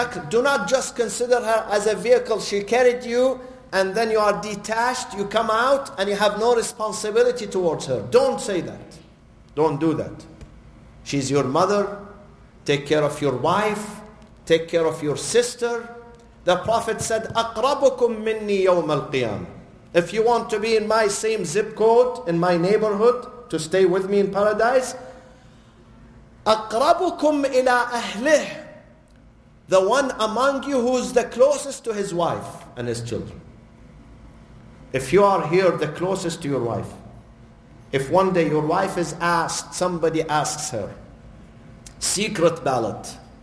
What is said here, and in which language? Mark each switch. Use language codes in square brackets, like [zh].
[en] Do not just consider her as a vehicle. She carried you and then you are detached. You come out and you have no responsibility towards her. Don't say that. Don't do that. She's your mother. Take care of your wife. Take care of your sister. [ar] The Prophet said, أَقْرَبُكُمْ مِنِّي يَوْمَ الْقِيَامِ. [en] If you want to be in my same zip code, in my neighborhood, to stay with me in paradise, [ar] أَقْرَبُكُمْ إِلَىٰ أَهْلِهِ. [en] The one among you who's the closest to his wife and his children. If you are here, the closest to your wife. If one day your wife is asked, somebody asks her, secret ballot.